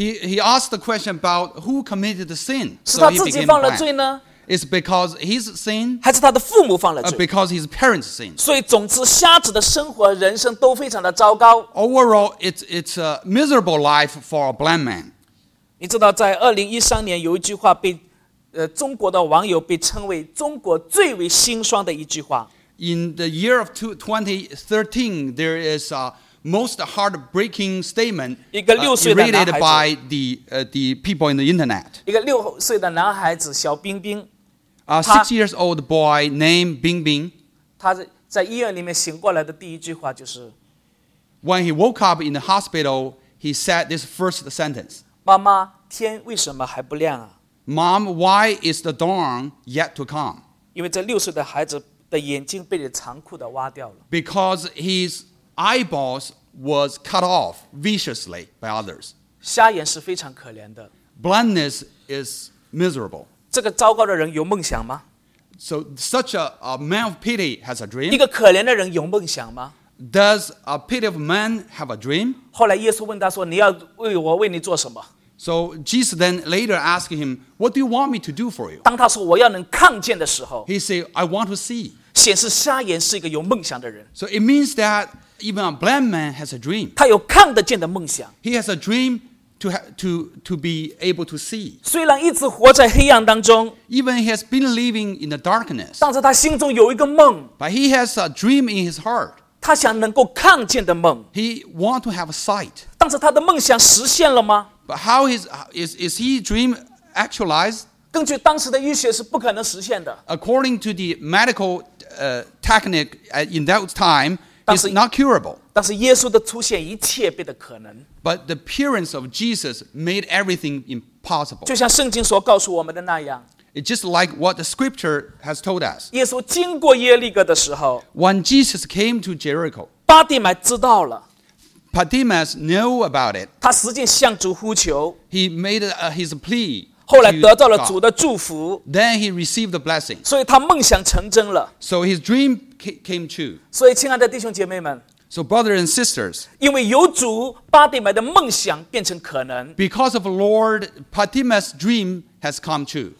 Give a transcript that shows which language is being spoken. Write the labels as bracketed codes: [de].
[en] He asked the question about who committed the sin. So he became blind. It's because his sin, because his parents' sin. [zh] 所以总之, 瞎子的生活, [en] overall, it's a miserable life for a blind man. [zh] 你知道在2013年有一句话被, 中国的网友被称为中国最为心酸的一句话。 [en] In the year of 2013, there is a most heartbreaking statement related by the people in the internet. [zh] 一个六岁的男孩子小冰冰, [en] a six-year-old boy named Bing Bing. [zh] 他在医院里面醒过来的第一句话就是, [en] when he woke up in the hospital, he said this first sentence. [zh] 妈妈, 天为什么还不亮啊? [en] Mom, why is the dawn yet to come? [zh] 因为这六岁的孩子的眼睛被残酷地挖掉了。 [en] Because his eyeballs was cut off viciously by others. [zh] 瞎眼是非常可怜的。 [en] Blindness is miserable. [zh] 这个糟糕的人有梦想吗? [en] So such a man of pity has a dream? [zh] 一个可怜的人有梦想吗? [en] Does a pitiful man have a dream? [zh] 后来耶稣问他说, 你要为我, 为你做什么? [en] So Jesus then later asked him, what do you want me to do for you? [zh] 当他说, 我要能看见的时候, [en] he said, I want to see. [zh] 显示瞎眼是一个有梦想的人。 [en] So it means that even a blind man has a dream. [zh] 他有看得见的梦想。 [en] He has a dream to be able to see. [zh] 虽然一直活在黑暗当中, [en] even he has been living in the darkness, [zh] 但是他心中有一个梦, [en] but he has a dream in his heart. [zh] 他想能够看见的梦, [en] he want to have a sight. [zh] 但是他的梦想实现了吗? [en] But how is he dream actualized? [zh] 根据当时的医学是不可能实现的。 [en] According to the medical technique in that time, it's not curable. [zh] 但是耶稣的出现一切变得可能。 [en] But the appearance of Jesus made everything impossible. [zh] 就像圣经所告诉我们的那样, [en] it's just like what the scripture has told us. [zh] 耶稣经过耶利哥的时候, [en] when Jesus came to Jericho, [zh] 巴底买知道了, [en] Bartimaeus knew about it. [zh] 他实际向主呼求, [en] he made his plea. [zh] 后来得到了主的祝福, [en] then he received the blessing. [zh] 所以他梦想成真了, [en] so his dream came true. [zh] 所以亲爱的弟兄姐妹们, [en] so brothers and sisters, [zh] 因为有主, [en] because of the Lord, Bartimaeus' dream has come true.